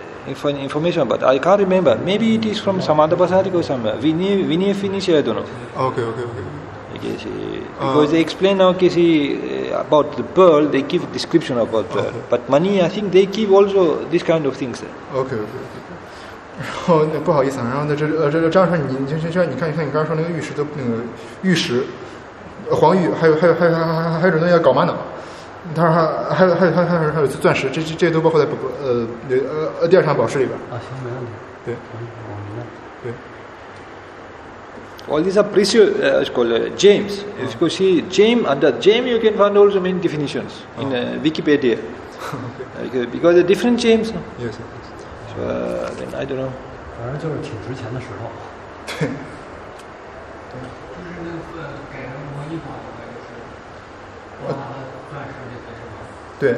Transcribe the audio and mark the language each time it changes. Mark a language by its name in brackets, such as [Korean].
[English] information, but I can't remember. Maybe it is from Samadabhasadik or somewhere. We need finish, I don't know. Okay. Because they explain now, okay, see, about the pearl, they give a description about pearl. Okay. But money, I think they give also this kind of things. Okay. [Chinese] 然后不好意思啊，然后那这张上你就像你看，你刚才说那个玉石都那个玉石，黄玉，还有准备要搞玛瑙，他说还有钻石，这些都包括在第二场宝石里边。啊，行，没问题。对，我明白。对。 [English] All these are precious, it's called gems. If you see gem, under gem you can find also many definitions in Wikipedia. Okay. Because they're different gems. Yes. Then I don't know. [Chinese] 反正就是挺值钱的石头。对。就是那份改成摩尼法的，就是包含了钻石那些是吗？